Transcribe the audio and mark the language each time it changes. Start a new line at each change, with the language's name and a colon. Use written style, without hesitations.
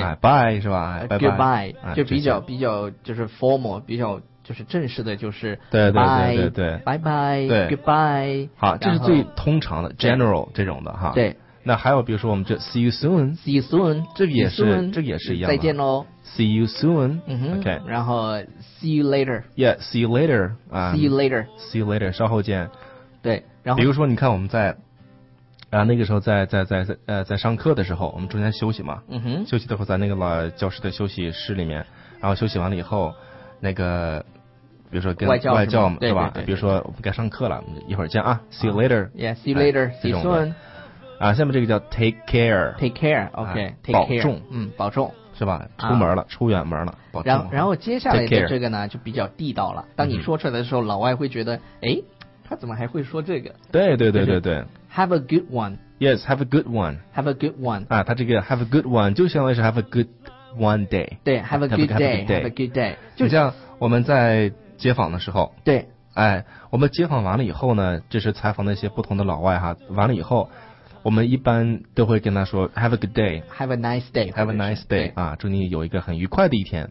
Chinese: 哎、拜是吧？拜拜，
English: Goodbye, 啊、
Chinese: 就比较就是 formal， 比较就是正式的，就是 bye, 对对对对，拜拜，对
English: ，Goodbye，
Chinese: 好，这是最通常的 general 这种的哈，对。那还有比如说我们这 see you soon，
English: see you soon，
Chinese: 这也是
English: soon,
Chinese: 这也是一样，再见咯，
English: see you soon，嗯哼， OK，然后 see you later， yeah， see you later， see you later， see you later，稍后见，
Chinese: 对，然后比如说你看我们在啊那个时候在上课的时候，我们中间休息嘛，嗯哼，休息的时候在那个老教室的休息室里面，然后休息完了以后，那个比如说跟外教嘛，对吧，对对对，比如说我们该上课了，一会儿见啊， see you later，
English: yeah， see you later，哎、 see you soon。
Chinese: 啊，下面这个叫 take care，
English: take care， OK， take care，
Chinese: 保重，嗯，保重，是吧？出门了，出远门了，保重。然后接下来的这个呢，就比较地道了。当你说出来的时候，老外会觉得，哎，他怎么还会说这个？对对对对对。
English: Have a good one. Yes, have a good one. Have a good one. 啊，他这个 have a good one 就相当于是 have a good one day。对，have a good day， have a good day。
Chinese: 就像我们在街访的时候。对。哎，我们街访完了以后呢，这是采访那些不同的老外哈，完了以后。我们一般都会跟他说 Have a good day，
English: Have a nice day，
Chinese: Have a nice day，啊，祝你有一个很愉快的一天。